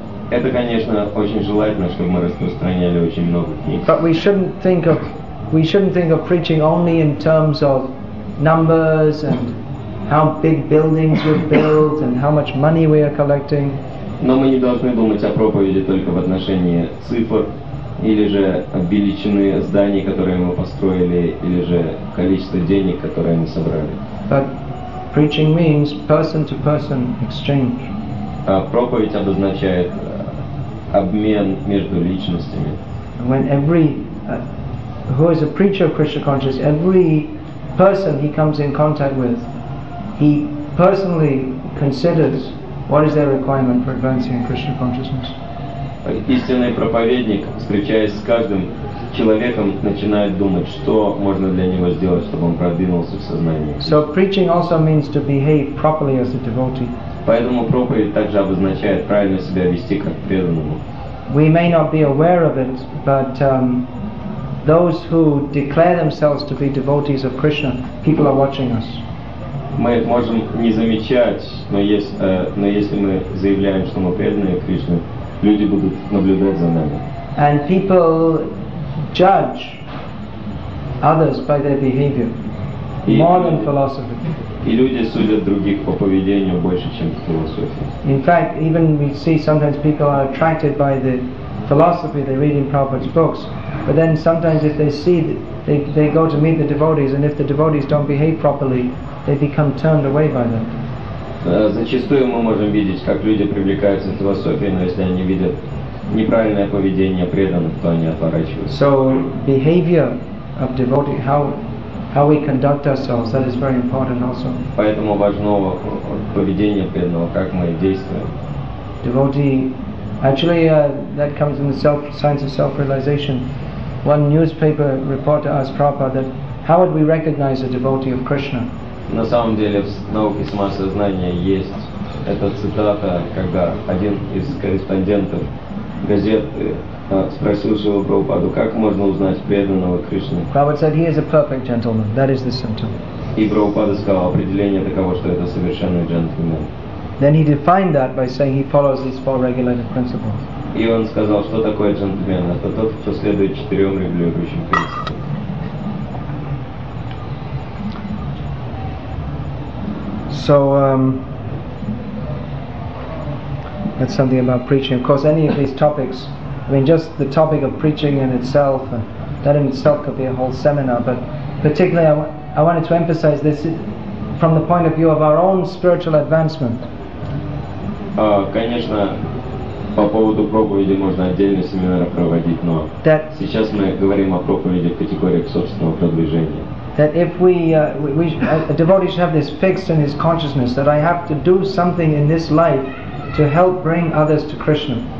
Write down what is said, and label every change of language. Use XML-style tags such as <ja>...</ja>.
<ru>Это, конечно, очень желательно, чтобы мы распространяли очень много книг.</ru> <en>But we shouldn't think of preaching only in terms of numbers and how big buildings we've built and how much money we are collecting.</en> <ru>Но мы не должны думать о проповеди только в отношении цифр или же величины зданий, которые мы построили, или же количество денег, которые мы собрали.</ru> <en>Preaching means person-to-person exchange.</en> <ru>Проповедь обозначает обмен между личностями.</ru> <en>When every who is a preacher of Krishna consciousness, every person he comes in contact with, he personally considers what is their requirement for advancing in Krishna consciousness.</en> <ru>Истинный проповедник, встречаясь с каждым человеком, начинает думать, что можно для него сделать, чтобы он продвинулся в сознании.</ru> <en>So preaching also means to behave properly as a devotee.</en> <ru>Поэтому проповедь также обозначает правильно себя вести как преданному.</ru> <en>We may not be aware of it, but those who declare themselves to be devotees of Krishna, people are watching us.</en> <ru>Мы это можем не замечать, но если мы заявляем, что мы преданные Кришне, люди будут наблюдать за нами.</ru> <en>And people judge others by their behavior more than philosophy.</en> <ru>И люди судят других по поведению больше, чем по философии.</ru> <en>In fact, even we see sometimes people are attracted by the philosophy they read in Prabhupada's books, but then sometimes if they see they go to meet the devotees, and if the devotees don't behave properly, they become turned away by them.</en> <ru>Зачастую мы можем видеть, как люди привлекаются к философии, но если они видят неправильное поведение преданных, то они отворачиваются.</ru> <en>So behavior of devotee, how we conduct ourselves, that is very important also.</en> <ru>Поэтому важно поведение преданного, как мы действуем.</ru> <en>Devotee, actually, that comes in the science of self-realization. One newspaper reporter asked Prabhupada that how would we recognize a devotee of Krishna?</en> <ru>На самом деле в науке самосознания есть эта цитата, когда один из корреспондентов газеты спросил своего Прабхупаду, как можно узнать преданного Кришны.</ru> <en>Prabhupada said he is a perfect gentleman. That is the symptom.</en> <ru>И Прабхупада сказал определение таково, что это совершенный джентльмен.</ru> <en>Then he defined that by saying he follows these four regulative principles.</en> <ru>И он сказал, что такое джентльмен? Это тот, кто следует четырем регулирующим принципам.</ru> <en>So that's something about preaching. Of course, any of these topics, I mean, just the topic of preaching in itself, that in itself could be a whole seminar, but particularly I wanted to emphasize this from the point of view of our own spiritual advancement.</en> <ru>Конечно, по поводу проповеди можно отдельные семинары проводить, но сейчас мы говорим о проповеди в категориях собственного продвижения.</ru> <en>That if a devotee should have this fixed in his consciousness that I have to do something in this life to help bring others to Krishna.</en>